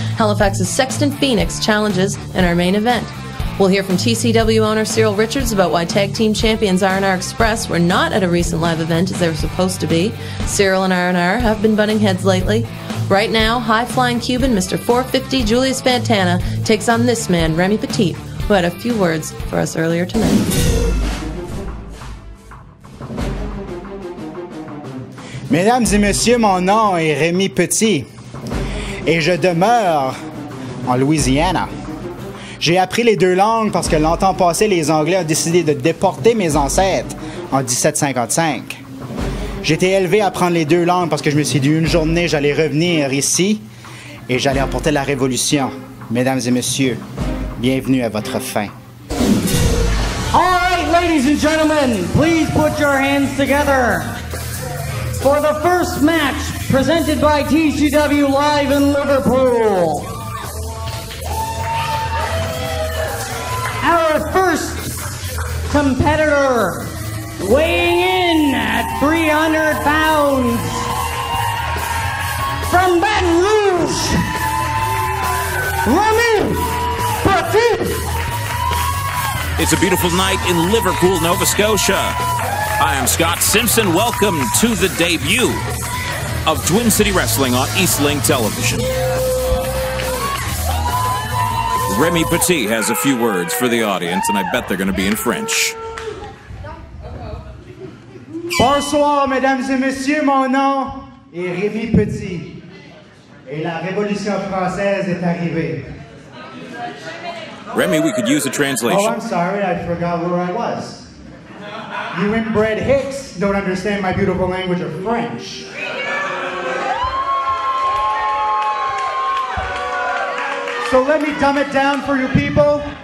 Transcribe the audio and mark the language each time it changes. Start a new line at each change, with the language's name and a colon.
English: Halifax's Sexton Phoenix challenges in our main event. We'll hear from TCW owner Cyril Richards about why tag team champions RnR Express were not at a recent live event as they were supposed to be. Cyril and RnR have been butting heads lately. Right now, high-flying Cuban Mr. 450 Julius Fantana takes on this man, Remi Petit, who had a few words for us earlier tonight.
French: Mesdames et messieurs, mon nom est Remi Petit et je demeure en Louisiana. J'ai appris les deux langues parce que longtemps passé, les Anglais ont décidé de déporter mes ancêtres en 1755. J'étais élevé à apprendre les deux langues parce que je me suis dit une journée, j'allais revenir ici et j'allais emporter la révolution. Mesdames et messieurs, bienvenue à votre fin.
English: All right, ladies and gentlemen, please put your hands together for the first match presented by TCW Live in Liverpool. Our first competitor, weighing in at 300 pounds, from Baton Rouge, Remi Petit. It's a beautiful night in Liverpool, Nova Scotia. I am Scott Simpson. Welcome to the debut of Twin City Wrestling on Eastlink Television. Remi Petit has a few words for the audience, and I bet they're going to be in French.
French: Bonsoir, mesdames et messieurs, mon nom est Remi Petit, et la révolution française est arrivée.
English: Remi, we could use a translation. Oh, I'm sorry, I forgot where I was. You inbred hicks don't understand my beautiful language of French. So let me dumb it down for you people.